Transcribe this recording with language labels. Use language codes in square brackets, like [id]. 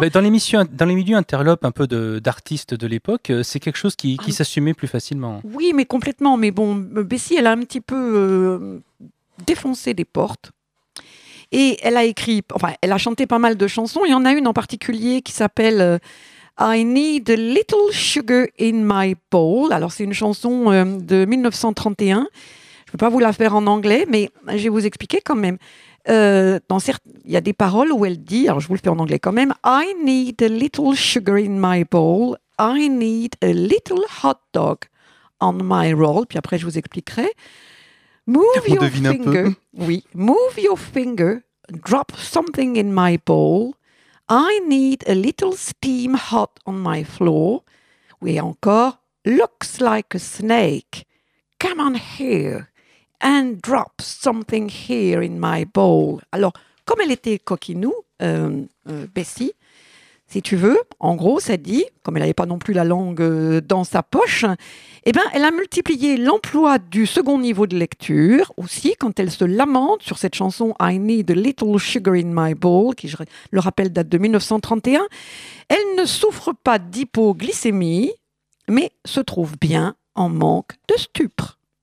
[fr] Mais dans l'émission, dans les milieux interlopes un peu d'artistes de l'époque, c'est quelque chose qui s'assumait plus facilement. Oui, mais complètement. Mais bon, Bessie, elle a un petit peu défoncé des portes. Et elle a écrit... Enfin, elle a chanté pas mal de chansons. Il y en a une en particulier qui s'appelle... [en] I need a little sugar in my bowl. [fr] Alors, c'est une chanson de 1931. Je ne vais pas vous la faire en anglais, mais je vais vous expliquer quand même. Il y a des paroles où elle dit, alors je vous le fais en anglais quand même, [en] I need a little sugar in my bowl. I need a little hot dog on my roll. [fr] Puis après, je vous expliquerai. [en] Move your finger. Oui. Move your finger. Drop something in my bowl. I need a little steam hot on my floor. [fr] Et encore, [en] looks like a snake. Come on here and drop something here in my bowl. [fr] Alors, comme elle était coquinou, Bessie, si tu veux, en gros, ça dit, comme elle n'avait pas non plus la langue dans sa poche, eh ben, elle a multiplié l'emploi du second niveau de lecture. Aussi, quand elle se lamente sur cette chanson « [en] I need a little sugar in my bowl [fr] », qui, je le rappelle, date de 1931, elle ne souffre pas d'hypoglycémie, mais se trouve bien en manque de stupre.